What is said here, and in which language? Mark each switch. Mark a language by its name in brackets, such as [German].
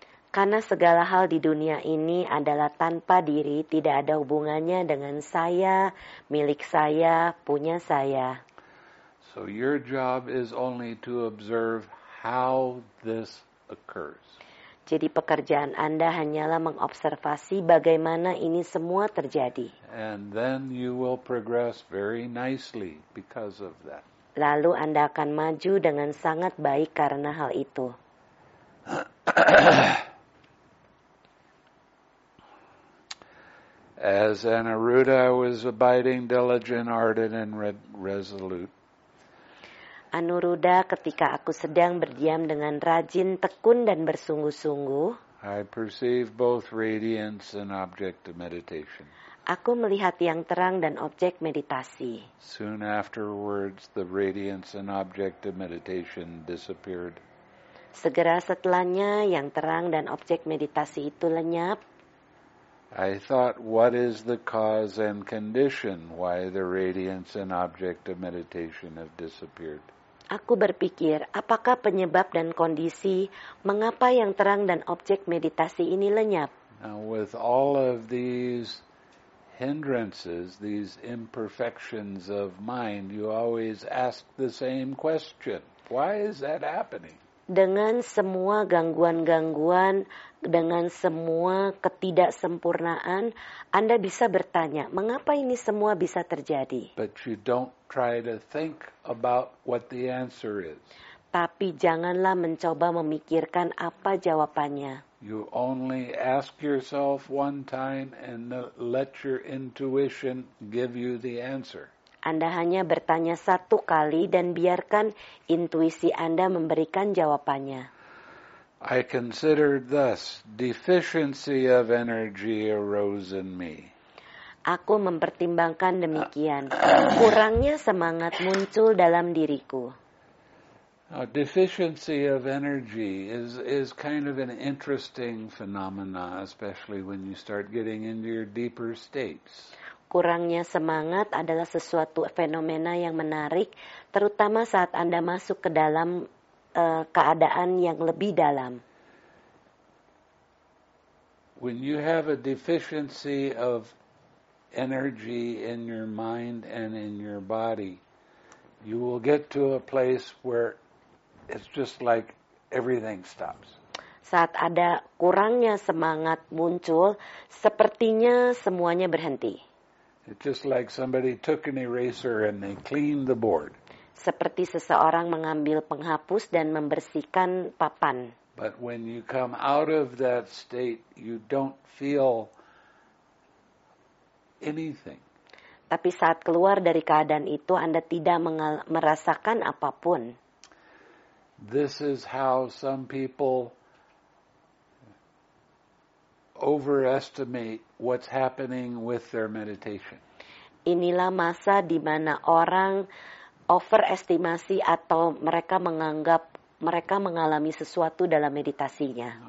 [Indonesian] Karena segala hal di dunia ini adalah tanpa diri, tidak ada hubungannya dengan saya, milik saya, punya saya. [English] So your job is only to observe how this occurs. [Indonesian] Jadi pekerjaan Anda hanyalah mengobservasi bagaimana ini semua terjadi. [English] And then you will progress very nicely because of that. [Indonesian] Lalu Anda akan maju dengan sangat baik karena hal itu. [English] As Anuruddha was abiding diligent, ardent, and resolute. [Indonesian] Anuruddha, ketika aku sedang berdiam dengan rajin, tekun, dan bersungguh-sungguh, [English] I perceive both radiance and object of meditation. [Indonesian] Aku melihat yang terang dan objek meditasi. [English] Soon afterwards, the radiance and object of meditation disappeared. [Indonesian] Segera setelahnya, yang terang dan objek meditasi itu lenyap. [English] I thought, what is the cause and condition why the radiance and object of meditation have disappeared? [Indonesian] Aku berpikir, apakah penyebab dan kondisi mengapa yang terang dan objek meditasi ini lenyap? [English] Now with all of these hindrances, these imperfections of mind, you always ask the same question. Why is that happening? [Indonesian] Dengan semua gangguan-gangguan, dengan semua ketidaksempurnaan, Anda bisa bertanya, mengapa ini semua bisa terjadi? [English] But you don't try to think about what the answer is. [Indonesian] Tapi janganlah mencoba memikirkan apa jawabannya. [English] You only ask yourself one time and let your intuition give you the answer. [Indonesian] Anda hanya bertanya satu kali dan biarkan intuisi Anda memberikan jawabannya. [English] I considered thus, deficiency of energy arose in me. [Indonesian] Aku mempertimbangkan demikian, kurangnya semangat muncul dalam diriku. [English] A deficiency of energy is kind of an interesting phenomena, especially when you start getting into your deeper states. [Indonesian] Kurangnya semangat adalah sesuatu fenomena yang menarik, terutama saat Anda masuk ke dalam keadaan yang lebih dalam. [English] When you have a deficiency of energy in your mind and in your body, you will get to a place where it's just like everything stops. [Indonesian] Saat ada kurangnya semangat muncul, sepertinya semuanya berhenti. [English] It's just like somebody took an eraser and they cleaned the board. [Indonesian] Seperti seseorang mengambil penghapus dan membersihkan papan. [English] But when you come out of that state, you don't feel anything. [Indonesian] Tapi saat keluar dari keadaan itu, Anda tidak merasakan apapun. [English] This is how some people overestimate what's happening with their meditation. [Indonesian] Inilah masa di mana orang overestimasi atau mereka menganggap mereka mengalami sesuatu dalam meditasinya.